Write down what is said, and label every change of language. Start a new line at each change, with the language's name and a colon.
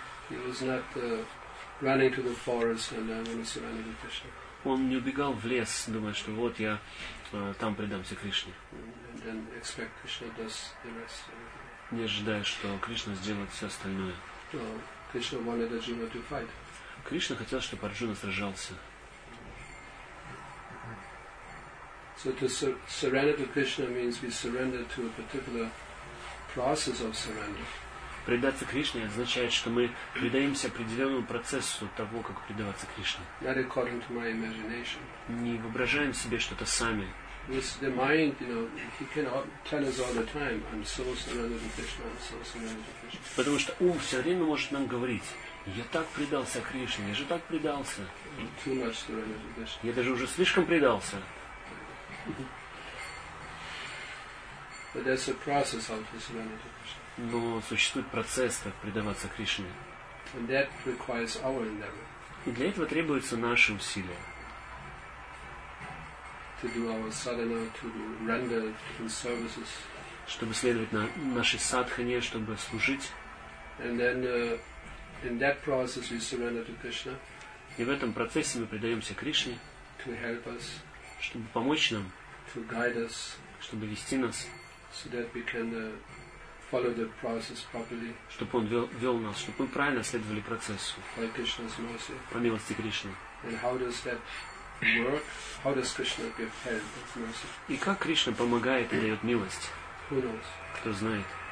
English: He was not running to the forest and I'm going to surrender to Krishna.
Russian: Он не убегал в лес, думая, что вот я там предамся Кришне.
English: And then expect Krishna does the rest.
Russian: Не ожидая, что Кришна сделает все остальное.
English: Krishna wanted Arjuna to fight.
Russian: Кришна хотел, чтобы Арджуна сражался.
English: So to surrender to Krishna means we surrender to a particular process of surrender.
Russian: Предаться Кришне означает, что мы предаемся определенному процессу того, как предаваться Кришне.
English: Not according to my imagination.
Russian: Не воображаем себе что-то сами.
English: With the mind, you know, he can tell us all the time, I'm so surrendered to Krishna, I'm so surrendered to Krishna.
Russian: Потому что ум все время может нам говорить, я так предался Кришне, я же так предался.
English: Too much surrendered to Krishna.
Russian: Я даже уже слишком предался.
English: But there's a process of surrendering to Krishna.
Russian: Но существует процесс, как предаваться Кришне.
English: And that requires our endeavor.
Russian: И для этого требуются наши усилия.
English: To do our sadhana, to render different services.
Russian: Чтобы следовать нашей садхане, чтобы служить.
English: And then, in that process we surrender to Krishna.
Russian: И в этом процессе мы предаемся Кришне.
English: To help us.
Russian: Чтобы помочь нам.
English: To guide us.
Russian: Чтобы вести нас.
English: So that we can, follow the process properly.
Russian: Чтобы он вел нас, чтобы мы правильно следовали процессу.
English: By Krishna's mercy.
Russian: По милости Кришны.
English: And how does that work? How does Krishna give help and mercy?
Russian: И как Кришна помогает и дает милость?
English: Who knows?
Russian: Кто знает?